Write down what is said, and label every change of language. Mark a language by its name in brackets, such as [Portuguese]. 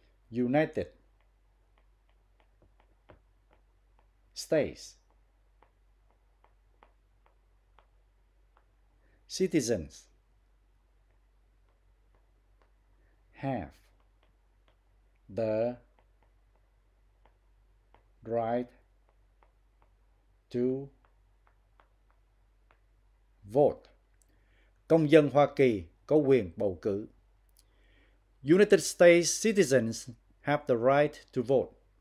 [English] United States citizens have the right to vote. [Vietnamese] Công dân Hoa Kỳ có quyền bầu cử. [English] United States citizens have the right to vote.